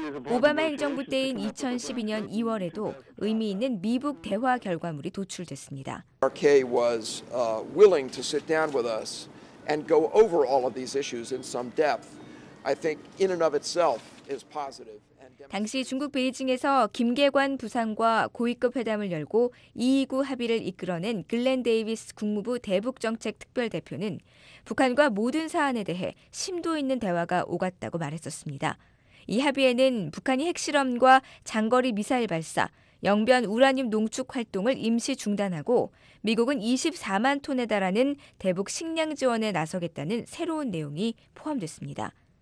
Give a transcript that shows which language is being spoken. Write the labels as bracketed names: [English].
[Korean] 오바마 행정부 때인 2012년 2월에도 의미 있는 미북 대화 결과물이 도출됐습니다. [English] RK was willing to sit down with us and go over all of these issues in some depth. I think in and of itself is positive. [Korean] 당시 중국 베이징에서 김계관 부상과 고위급 회담을 열고 2.29 합의를 이끌어낸 글렌 데이비스 국무부 대북정책특별대표는 북한과 모든 사안에 대해 심도 있는 대화가 오갔다고 말했었습니다. 이 합의에는 북한이 핵실험과 장거리 미사일 발사, 영변 우라늄 농축 활동을 임시 중단하고 미국은 24만 톤에 달하는 대북 식량 지원에 나서겠다는 새로운 내용이 포함됐습니다.